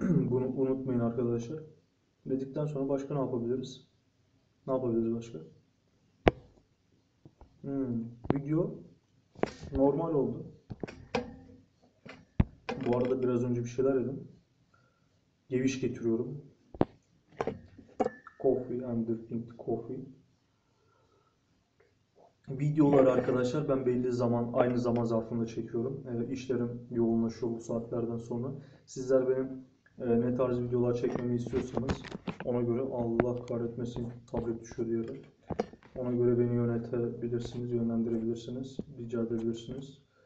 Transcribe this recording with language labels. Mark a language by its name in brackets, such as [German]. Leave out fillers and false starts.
[Turkish] Bunu unutmayın arkadaşlar. Dedikten sonra başka ne yapabiliriz? Ne yapabiliriz başka? Video normal oldu. Bu arada biraz önce bir şeyler yedim. Geviş getiriyorum. [English] Coffee, I'm drinking coffee. [Turkish] Videoları arkadaşlar ben belli zaman, aynı zaman zarfında çekiyorum. İşlerim yoğunlaşıyor bu saatlerden sonra. Sizler benim ne tarz videolar çekmemi istiyorsanız ona göre Allah kahretmesin tablet düşüyor diye. Ona göre beni yönetebilirsiniz, yönlendirebilirsiniz, rica edebilirsiniz.